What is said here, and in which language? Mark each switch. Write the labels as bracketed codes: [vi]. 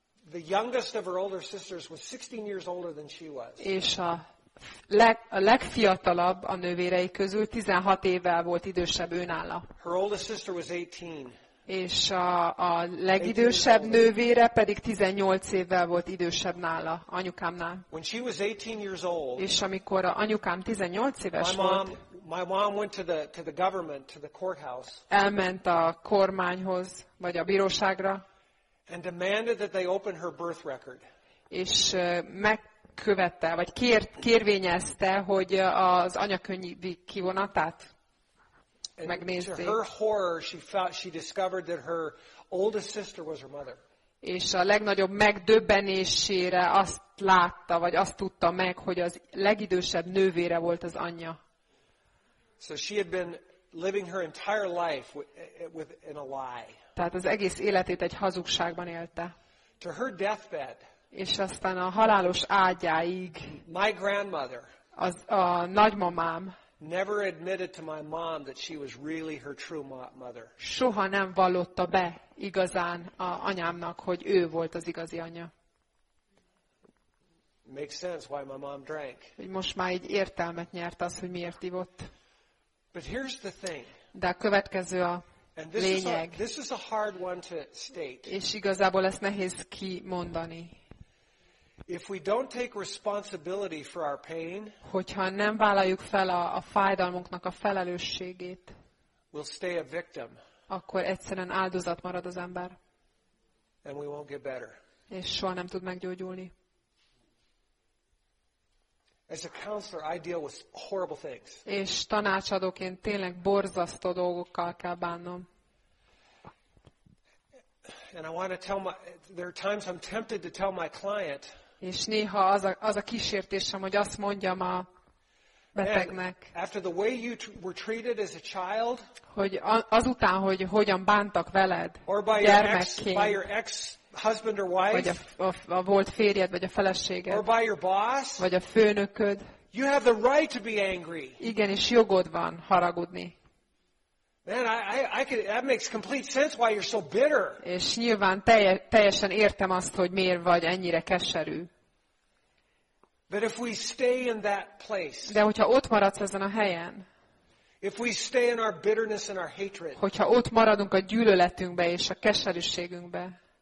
[en] The youngest of her older sisters was 16 years older than she was. [hu] És a legfiatalabb a nővérei közül 16 évvel volt idősebb őnála. [en] Her oldest sister was 18. [hu] És a legidősebb nővére pedig 18 évvel volt idősebb nála, anyukámnál. [en] When she was 18 years old, [hu] és amikor a anyukám 18 éves volt, [en] my mom went to the government, to the courthouse. [hu] Elment a kormányhoz, vagy a bíróságra. [en] And demanded that they open her birth record. [hu] És megkövette, vagy kérvényezte, hogy az anyakönyvi kivonatát megnézzék. [en] And to her horror, she discovered that her oldest sister was her mother. [hu] És a legnagyobb megdöbbenésére azt látta, vagy azt tudta meg, hogy az legidősebb nővére volt az anyja. [en] So she had been living her entire life in a lie. [hu] Tehát az egész életét egy hazugságban élte. [en] To her deathbed. [hu] És aztán a halálos ágyáig. [en] My grandmother. [hu] A nagymamám. [en] Never admitted to my mom that she was really her true mother. [hu] Soha nem vallotta be igazán a anyámnak, hogy ő volt az igazi anyja. [en] Makes sense why my mom drank. [hu] Most már így értelmet nyert az, hogy miért ivott. [en] But here's the thing. [hu] De a következő a lényeg. [en] This is a hard one to state. [hu] És igazából ezt nehéz kimondani. [en] If we don't take responsibility for our pain, [hu] hogyha nem vállaljuk fel a fájdalmunknak a felelősségét, [en] we'll stay a victim. [hu] Akkor egyszerűen áldozat marad az ember. [en] And we won't get better. [hu] És soha nem tud meggyógyulni. [en] As a counselor, I deal with horrible things. [hu] És tanácsadóként tényleg borzasztó dolgokkal kell bánnom. [en] And I want to tell my, there are times I'm tempted to tell my client. [hu] És néha az a, az a kísértésem, hogy azt mondjam a betegnek. [en] And after the way you were treated as a child. [hu] Hogy azután, hogy hogyan bántak veled gyermekként. [en] Or by your ex. Husband or wife, [hu] vagy a volt férjed, vagy a feleséged, [en] or by your boss, [hu] vagy a főnököd. [en] You have the right to be angry. [hu] Igen, és jogod van haragudni. [en] Man, I could, that makes complete sense why you're so bitter. [hu] És nyilván teljesen értem azt, hogy miért vagy ennyire keserű. [en] But if we stay in that place, [hu] de hogyha ott maradsz ezen a helyen, [en] if we stay in our bitterness and our hatred, [hu] hogyha ott maradunk a gyűlöletünkbe és a keserűségünkbe,